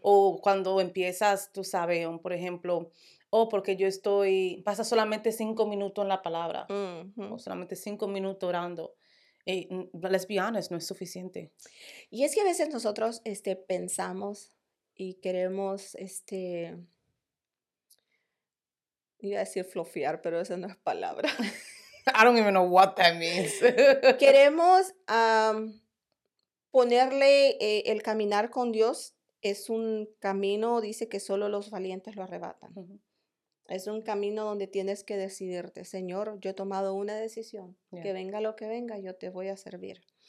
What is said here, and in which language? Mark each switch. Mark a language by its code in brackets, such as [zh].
[es] o cuando empiezas, tú sabes, por ejemplo, porque yo pasa solamente 5 minutos en la palabra, o solamente 5 minutos orando, [en] Let's be honest, [es] no es suficiente. Y es que a veces nosotros pensamos y queremos iba a decir flofear, pero esa no es palabra. [en] I don't even know what that means. [es] Queremos ponerle el caminar con Dios es un camino, dice que solo los valientes lo arrebatan. Uh-huh. Es un camino donde tienes que decidirte, Señor, yo he tomado una decisión, yeah. Que venga lo que venga, yo te voy a servir.